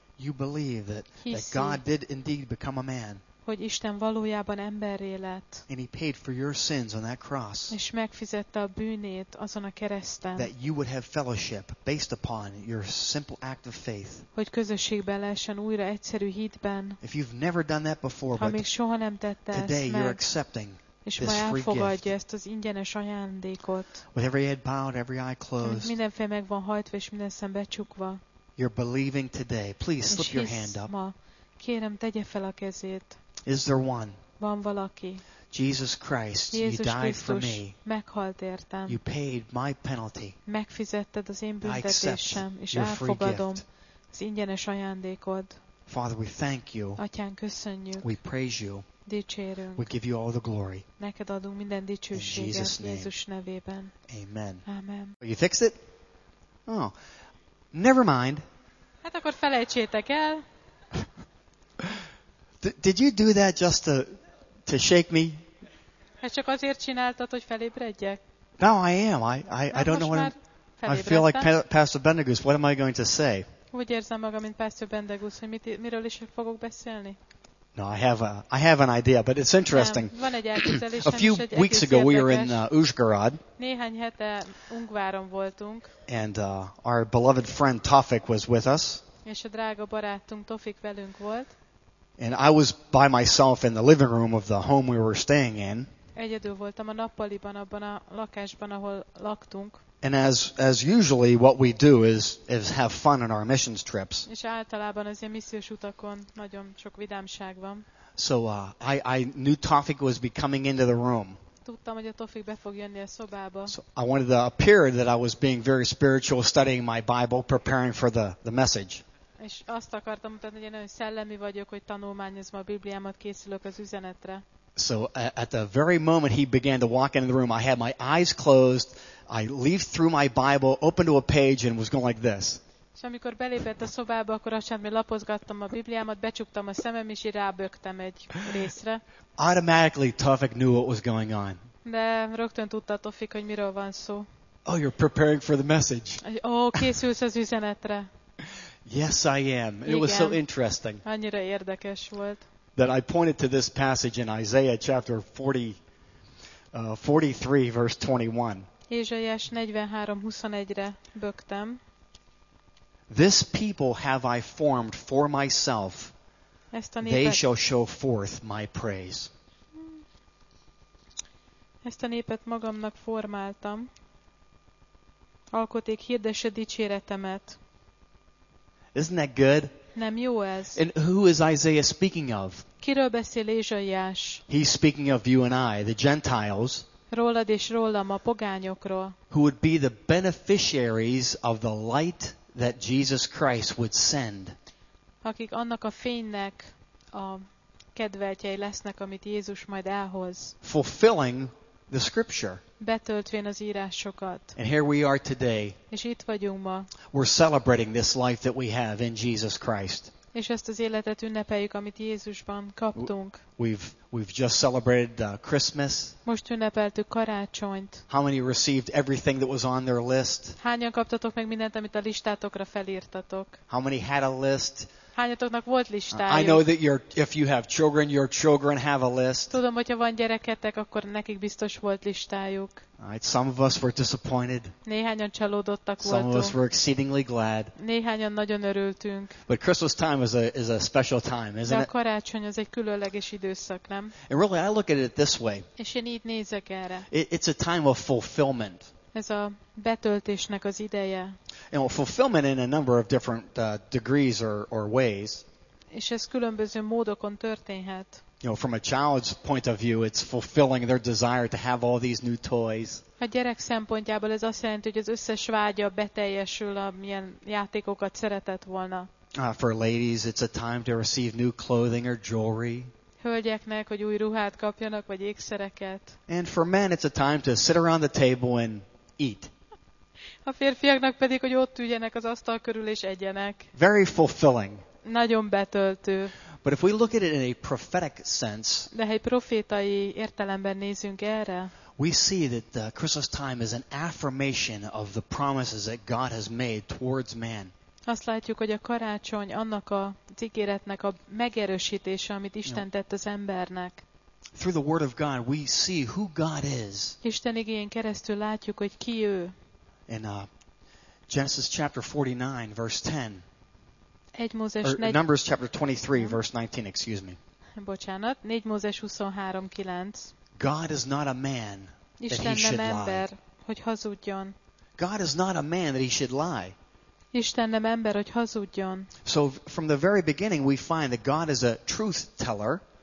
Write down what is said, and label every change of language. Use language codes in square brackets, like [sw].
[en] you believe that God did indeed become a man. [hu] Hogy Isten valójában emberré lett. [en] And he paid for your sins on that cross. [hu] És megfizette a bűnét azon a kereszten. [en] That you would have fellowship based upon your simple act of faith. [hu] Hogy közösségbe lehessen újra egyszerű hitben. [en] If you've never done that before, [hu] ha még soha nem tette ezt [en] today [hu] meg, [en] you're accepting [hu] és [en] this [hu] ma elfogadja [en] gift. [hu] Ezt az ingyenes ajándékot. [en] With every head bowed, every eye closed. [hu] Minden fej meg van hajtva és minden szem becsukva. [en] You're believing today. Please slip your hand up. [hu] Ma, kérem, tegye fel a kezét. [en] Is there one? [hu] Van valaki? [en] Jesus Christ, [hu] Jézus [en] you died [hu] Krisztus [en] for me. [hu] Meghalt értem. [en] You paid my penalty. [hu] Megfizetted az én büntetésem, és elfogadom az ingyenes ajándékod. [en] Father, we thank you. [hu] Atyán, köszönjük. [en] We praise you. [hu] Dicsérünk. [en] We give you all the glory. [hu] Neked adunk minden dicsőséget. [en] In Jesus name. [hu] Jézus nevében. [en] Amen. [hu] Amen. [en] You fix it? Oh. Never mind. [hu] Hát akkor felejtsétek el. [en] Did you do that just to shake me? [hu] Hát csak azért csináltad, hogy felébredjek. [en] No, I am. I don't know what I feel like Pastor Bendegúz. What am I going to say? [hu] Úgy érzem magam, mint Pastor Bendegúz, hogy miről is fogok beszélni. [en] No, I have an idea, but it's interesting. [hu] Van egy elképzelésem. [en] A few weeks ago we were in Uzsgorod. [hu] Néhány hete Ungváron voltunk. [en] And our beloved friend Tofik was with us. [hu] És a drága barátunk Tofik velünk volt. [en] And I was by myself in the living room of the home we were staying in. [hu] Egyedül voltam a nappaliban, abban a lakásban, ahol laktunk. [en] And as usually what we do is have fun on our missions trips. [hu] És általában az ilyen missziós utakon nagyon sok vidámság van. [en] So I knew Tofik was becoming into the room. [hu] Tudtam, hogy a Tofik be fog jönni a szobába. [en] So I wanted to appear that I was being very spiritual, studying my Bible, preparing for the message. [hu] És azt akartam mutatni, hogy én nagyon szellemi vagyok, hogy tanulmányozom a Bibliámat, készülök az üzenetre. [en] So at the very moment he began to walk into the room, I had my eyes closed. I leafed through my Bible, opened to a page, and was going like this. [hu] És amikor belépett a szobába, akkor azt lapozgattam a Bibliámat, becsuktam a szemem, és rábögtem egy részre. [en] Automatically, Tofik knew what was going on. [hu] De rögtön tudtátok, fik, hogy miről van szó. [en] Oh, you're preparing for the message. [hu] Oh, készülsz az üzenetre. [en] Yes, I am. [hu] Igen. [en] It was so interesting. [hu] Annyira érdekes volt. [en] That I pointed to this passage in Isaiah chapter 43 verse 21. [hu] Ézsaiás 43:21-re bögtem. [en] This people have I formed for myself. [hu] Ezt a népet, [en] they shall show forth my praise. [hu] Ezt a népet magamnak formáltam. Alkoték hirdesse dicséretemet. [en] Isn't that good? [hu] Nem jó ez. [en] And who is Isaiah speaking of? [hu] Kiről beszél Ézsaiás? [en] He's speaking of you and I, the Gentiles. [hu] Rólad és rólam, a pogányokról. [en] Who would be the beneficiaries of the light that Jesus Christ would send. [hu] Akik annak a fénynek a kedveltjei lesznek, amit Jézus majd elhoz. [en] Fulfilling the scripture. [hu] Betöltvén az írásokat. [en] And here we are today. [hu] És itt vagyunk ma. [en] We're celebrating this life that we have in Jesus Christ. [hu] És ezt az életet ünnepeljük, amit Jézusban kaptunk. [en] We've just celebrated Christmas. [hu] Most ünnepeltük karácsonyt. [en] How many received everything that was on their list? [hu] Hányan kaptatok meg mindent, amit a listátokra felírtatok? [en] How many had a list? [hu] Hányatoknak volt listájuk? [en] I know that if you have children, your children have a list. [hu] Tudom, hogyha van gyereketek, akkor nekik biztos volt listájuk. [en] Some of us were disappointed. [hu] Néhányan csalódottak voltunk. [en] Some of us were exceedingly glad. [hu] Néhányan nagyon örültünk. [en] But Christmas time is a special time, isn't it? [hu] De a karácsony az egy különleges időszak, nem? [en] And really, I look at it this way. [hu] És én így nézek erre. [en] It's a time of fulfillment. [hu] Ez a betöltésnek az ideje. [en] And fulfillment in a number of different degrees or ways. [hu] És ez különböző módokon történhet. [en] From a child's point of view, it's fulfilling their desire to have all these new toys. [hu] A gyerek szempontjából ez azt jelenti, hogy az összes vágya beteljesül, amilyen játékokat szeretett volna. [en] For ladies, it's a time to receive new clothing or jewelry. [hu] Hölgyeknek, hogy új ruhát kapjanak, vagy ékszereket. [en] And for men, it's a time to sit around the table and eat. [hu] A férfiaknak pedig, hogy ott üljenek az asztal körül és egyenek. [en] Very fulfilling. [hu] Nagyon betöltő. [en] But if we look at it in a prophetic sense, [hu] de ha egy profétai értelemben nézünk erre, [en] we see that the Christmas time is an affirmation of the promises that God has made towards man. [hu] Azt látjuk, hogy a karácsony annak a ígéretnek a megerősítése, amit Isten tett az embernek. [en] Through the word of God, we see who God is. [hu] Isten igéjén keresztül látjuk, hogy ki ő. [en] In Genesis chapter 49, verse 10. Numbers chapter 23, verse 19, excuse me. [hu] Bocsánat, 4 Mózes 23:9. [en] God is not a man that he should [hu] ember, [en] lie. [hu] Hogy hazudjon. [en] God is not a man that he should lie. [hu] Isten nem ember, hogy hazudjon. [en] So from the very beginning we find that God is a truth teller.